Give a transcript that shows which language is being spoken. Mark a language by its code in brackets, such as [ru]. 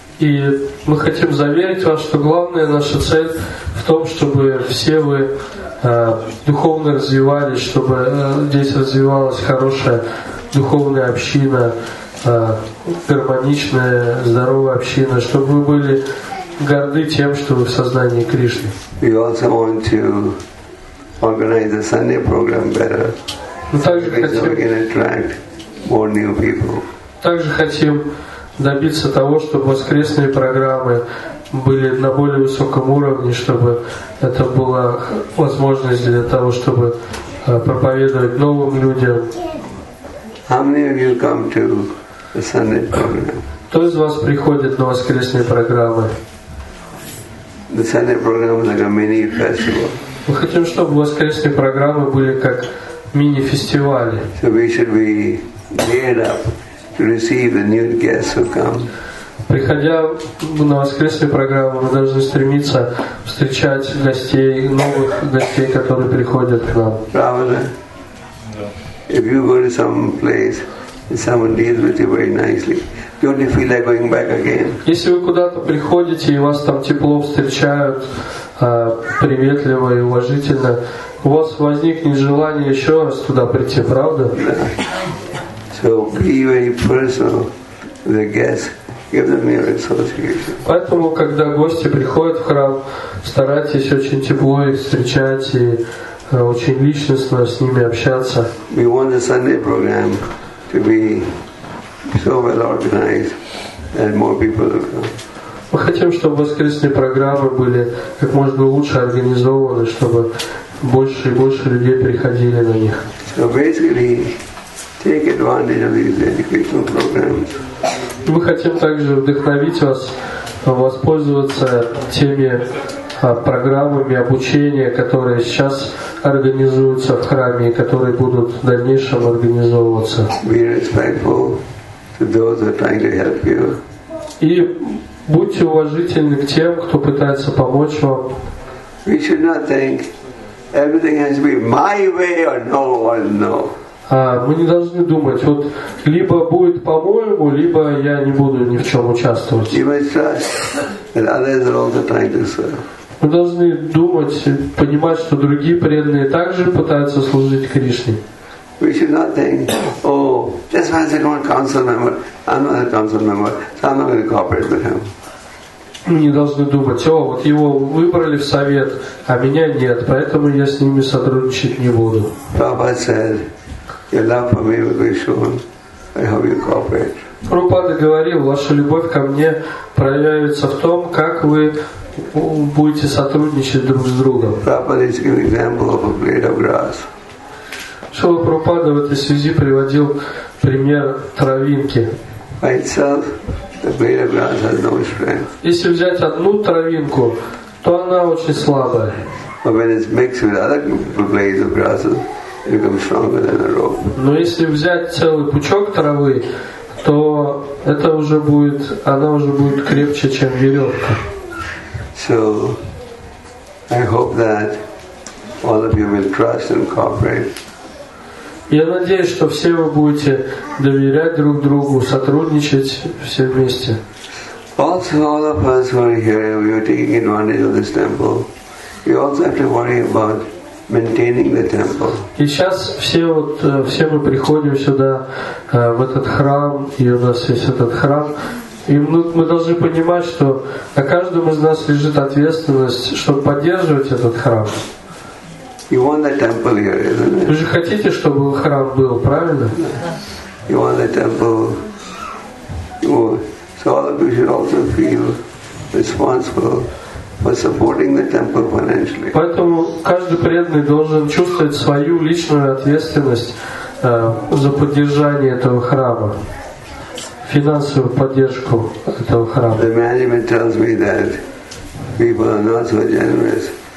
[ru] И мы хотим заверить вас, что главная наша цель в том, чтобы все вы духовно развивались, чтобы здесь развивалась хорошая духовная община, гармоничная, здоровая община, чтобы вы были горды тем, что вы в сознании Кришны. [en] We also want to organize the Sunday program better. [ru] Мы также хотим, [en] we can attract more new people. [ru] Также хотим добиться того, чтобы воскресные программы были на более высоком уровне, чтобы это была возможность для того, чтобы проповедовать новым людям. [en] How many of you come to the Sunday program? [ru] Кто из вас приходит на воскресные программы? [en] The Sunday program is like a mini festival. [ru] Мы хотим, чтобы воскресные программы были как мини-фестивали. [en] So we should be geared up to receive the new guests who come. [ru] Приходя на воскресные программы, мы должны стремиться встречать гостей, новых гостей, которые приходят к нам. Правда? [en] If you go to some place and someone deals with you very nicely, don't you feel like going back again? [ru] Если вы куда-то приходите и вас там тепло встречают, приветливо и уважительно, у вас возникнет желание еще раз туда прийти, правда? [en] So be very personal with the guests. Give them your association. [ru] Поэтому, когда гости приходят в храм, старайтесь очень тепло их встречать и очень личностно с ними общаться. [en] We want the Sunday program to be so well organized that more people will come. [ru] Мы хотим, чтобы воскресные программы были как можно лучше организованы, чтобы больше и больше людей приходили на них. [en] So basically, take advantage of these educational programs. [ru] Мы хотим также вдохновить вас воспользоваться теми программами обучения, которые сейчас организуются в храме и которые будут в дальнейшем организовываться. [en] Be respectful to those who are trying to help you. [ru] И будьте уважительны к тем, кто пытается помочь вам. [en] We should not think everything has to be my way or no one, no. [ru] Мы не должны думать, вот либо будет по-моему, либо я не буду ни в чем участвовать. Мы должны думать, понимать, что другие преданные также пытаются служить Кришне. [en] We should not think, oh, this man's a council member, I'm not a council member, so I'm not going to cooperate with him. [ru] Мы не должны думать, о, вот его выбрали в совет, а меня нет, поэтому я с ними сотрудничать не буду. [en] Prabhupada said, your love for me will be shown by how you cooperate. [ru] Prabhupada говорил, ваша любовь ко мне проявится в том, как вы будете сотрудничать друг с другом. [en] Prabhupada is an example of a blade of grass. [ru] Шрила Прабхупада в этой связи приводил пример травинки. [en] By itself, the blade of grass has no strength. [ru] Если взять одну травинку, то она очень слабая. [en] But when it's mixed with other blades of grass, it becomes stronger than a rope. [ru] Но если взять целый пучок травы, то это уже будет, она уже будет крепче, чем веревка. [en] So, I hope that all of you will trust and cooperate. [ru] Я надеюсь, что все вы будете доверять друг другу, сотрудничать все вместе. [en] Also, all of us who are here, we are taking advantage of this temple. We also have to worry about maintaining the temple. [ru] И сейчас все вот все мы приходим сюда в этот храм, и у нас есть этот храм, и мы должны понимать, что на каждом из нас лежит ответственность, чтобы поддерживать этот храм. [en] You want the temple here, isn't it? [ru] Вы же хотите, чтобы храм был, правильно? [en] You want the temple. So all of you should also feel responsible for supporting the temple financially. [ru] Поэтому каждый преданный должен чувствовать свою личную ответственность за поддержание этого храма, финансовую поддержку этого храма. [en] The management tells me that people are not so generous.